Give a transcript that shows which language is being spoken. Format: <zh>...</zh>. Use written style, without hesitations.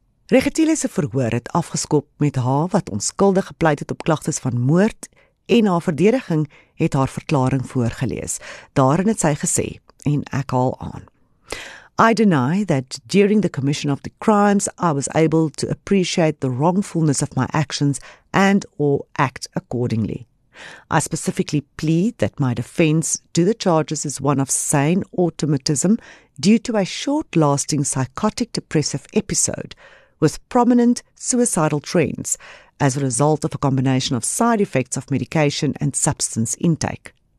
<af>Regetile se verhoor het afgeskop met haar wat onskuldig gepleit het op klagtes van moord en haar verdediging het haar verklaring voorgelees. Daarin het sy gesê, en ek haal aan.</af> <en>I deny that during the commission of the crimes I was able to appreciate the wrongfulness of my actions and or act accordingly. I specifically plead that my defense to the charges is one of sane automatism due to a short-lasting psychotic depressive episode with prominent suicidal trends as a result of a combination of side effects of medication and substance intake.</en>